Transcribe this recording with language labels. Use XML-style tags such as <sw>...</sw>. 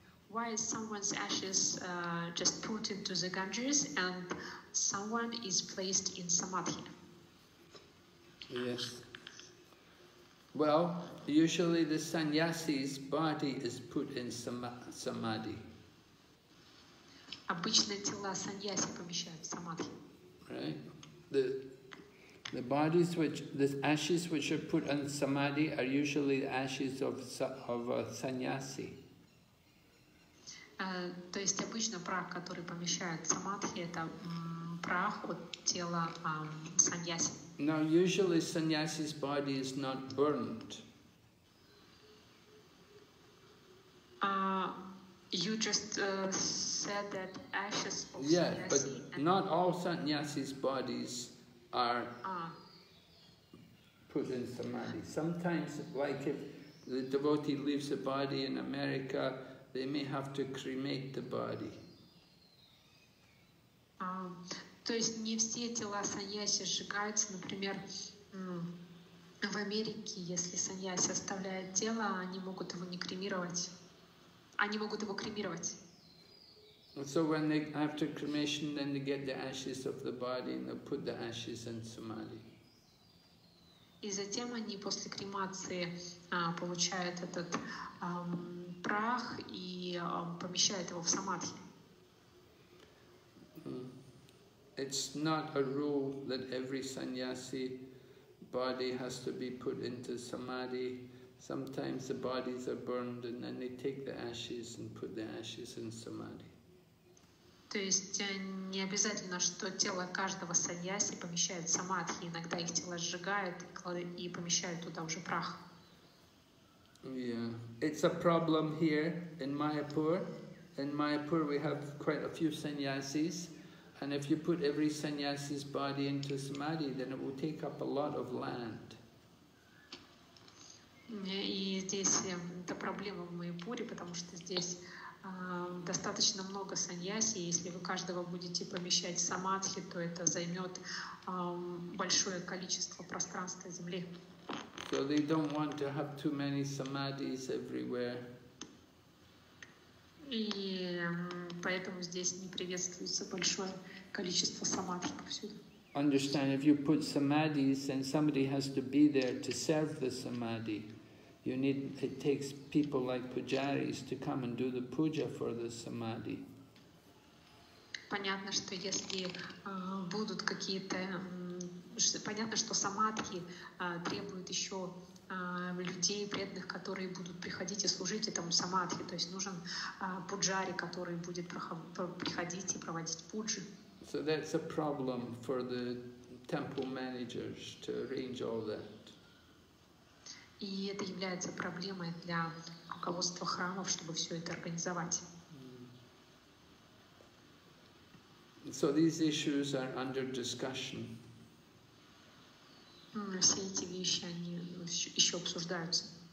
<en>Why is someone's ashes just put into the Ganges and someone is placed in Samadhi? Yes. Well, usually the sannyasi's body is put in samadhi.</en> <ru>Обычно тела саньяси помещают в самадхи.</ru> <en>Right. The ashes which are put in samadhi are usually the ashes of a sannyasi.</en> <ru>То есть обычно прах, который помещают в самадхи, это прах от тела саньяси.</ru> <en>Now, usually sannyasi's body is not burned. You just said that ashes of sannyasi. Yeah, but not all sannyasi's bodies are put in samadhi. Sometimes, like if the devotee leaves a body in America, they may have to cremate the body.</en> <ru>То есть не все тела саньяси сжигаются, например, в Америке, если саньяси оставляет тело, они могут его не кремировать. Они могут его кремировать.</ru> <en>So when they, after cremation, then they get the ashes of the body and they put the ashes in samadhi.</en> <ru>И затем они после кремации получают этот прах и помещают его в самадхи.</ru> <en>It's not a rule that every sannyasi body has to be put into samadhi. Sometimes the bodies are burned and then they take the ashes and put the ashes in samadhi.</en> <ru>То есть не обязательно, что тело каждого саньяси помещают в самадхи. Иногда их тело сжигают и помещают туда уже прах.</ru> <en>Yeah. It's a problem here in Mayapur. In Mayapur we have quite a few sannyasis. And if you put every sannyasi's body into samadhi, then it will take up a lot of land.</en> <ru>И здесь это проблема в Майяпуре, потому что здесь достаточно много саньяси. Если вы каждого будете помещать в самадхи, то это займет большое количество пространства земли.</ru> <en>So they don't want to have too many samadhis everywhere.</en> <ru>И поэтому здесь не приветствуется большое количество самадхи повсюду.</ru> <en>Understand, if you put samadhis, then somebody has to be there to serve the samadhi. You need, it takes people like pujaris to come and do the puja for the samadhi.</en> <ru>Понятно, что если будут какие-то... Понятно, что самадхи требуют еще людей преданных, которые будут приходить и служить этому самадхи. То есть нужен пуджари, который будет приходить и проводить пуджи.</ru> <en>So that's a problem for the temple managers to arrange all that.</en> <ru>И это является проблемой для руководства храмов, чтобы все это организовать.</ru> <en>So these issues are under discussion.</en> <ru>Все эти вещи, они еще обсуждаются.</ru>